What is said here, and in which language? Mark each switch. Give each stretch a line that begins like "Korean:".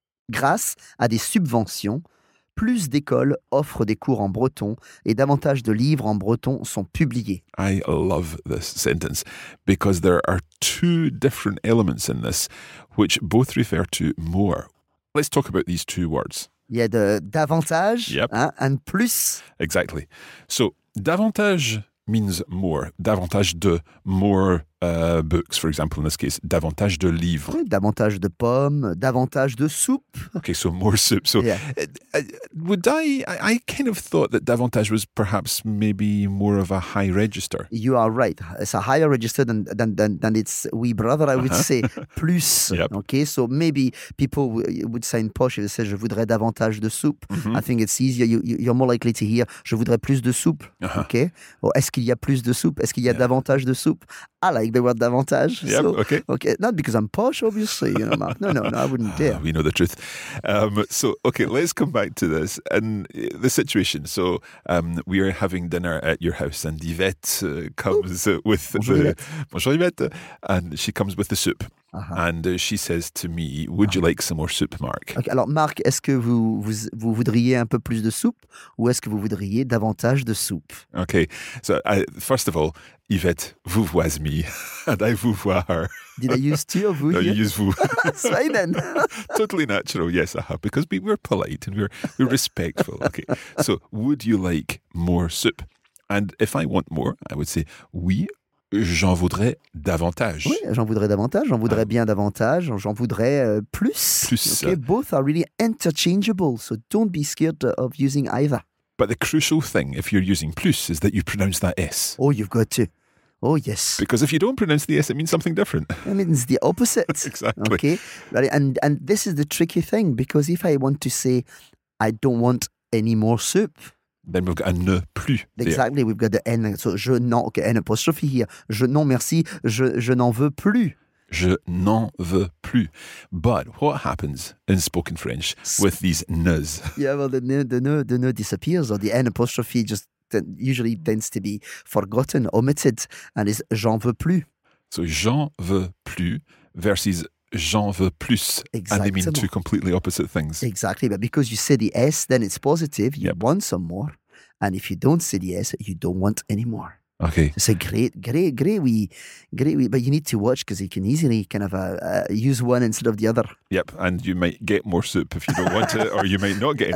French: Grâce à des subventions, plus d'écoles offrent des cours en breton et davantage de livres en breton sont publiés.
English: I love this sentence because there are two different elements in this which both refer to more. Let's talk about these two words.
French: Il y a davantage, yep,
English: hein, and plus. Exactly. So, davantage means more.
French: Davantage de,
English: more books, for example, in this case.
French: Davantage de livres. Oui, davantage de pommes, davantage de soupe.
English: Okay, so more soup. So, yeah. I kind of thought that davantage was perhaps maybe more of a high register. You are right. It's a higher register than its wee brother, I would say.
French: Plus. Yep.
English: Okay, so maybe people would say in posh, they say,
French: je voudrais davantage de soupe.
English: Mm-hmm. I think it's easier. You're more likely to hear,
French: je voudrais plus de soupe. Uh-huh.
English: Okay.
French: Or, est-ce qu'il y a plus de soupe? Est-ce qu'il y a davantage de soupe?
English: I like the word davantage. Yep, so, okay. Not because I'm posh, obviously, you know, Mark. No, I wouldn't dare. We know the truth. Let's come back to this and the situation. So we are having dinner at your house and Yvette. And she comes with the soup. Uh-huh. And she says to me, would you like some more soup, Mark?
French: Okay, alors, Mark, est-ce que vous voudriez un peu plus de soupe ou est-ce que vous voudriez davantage de soupe?
English: Okay, so first of all, Yvette vouvoise me and I vouvoie her. Did I use tu or vous? No, you use vous. That's fine then. Totally natural, yes, because we're polite and we're respectful. Okay, so would you like more soup? And if I want more, I would say oui.
French: J'en voudrais davantage. Oui, j'en voudrais davantage, j'en voudrais bien davantage, j'en voudrais plus. Plus.
English: Okay, both are really interchangeable, so don't be scared of using either. But the crucial thing, if you're using plus, is that you pronounce that S. Oh, you've got to. Oh, yes. Because if you don't pronounce the S, it means something different. It means the opposite. Exactly. Okay, right, and this is the tricky thing, because if I want to say, I don't want any more soup... Then we've got a ne plus. Exactly, there. We've got the N. So
French: je n'en,
English: okay, N apostrophe here.
French: Je n'en merci, je n'en veux plus. Je n'en veux plus.
English: But what happens in spoken French with these ne's? Yeah, well, the ne disappears or the N apostrophe just usually tends to be forgotten, omitted, and is
French: j'en veux plus.
English: So
French: j'en veux plus
English: versus
French: j'en veux plus.
English: Exactly. And they mean two completely opposite things. Exactly. But because you say the S, then it's positive. You want some more. And if you don't say the S, you don't want any more. Okay. It's a great wee, but you need to watch because you can easily kind of use one instead of the other. Yep, and you might get more soup if you don't want it, or you might not get any